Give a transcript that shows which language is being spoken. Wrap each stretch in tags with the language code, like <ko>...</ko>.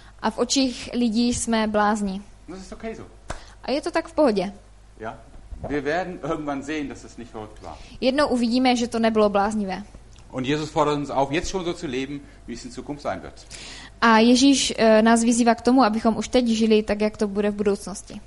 <cs>A v očích lidí jsme blázni.</cs> <de>Das ist okay so.</de> <cs>A je to tak v pohodě.</cs> <de>Ja. Wir werden irgendwann sehen, dass es nicht verrückt war.</de> <cs>Jednou uvidíme, že to nebylo bláznivé.</cs> <de>Und Jesus fordert uns auf, jetzt schon so zu leben, wie es in Zukunft sein wird.</de> <cs>A Ježíš nás vyzývá k tomu, abychom už teď žili tak, jak to bude v budoucnosti.</cs>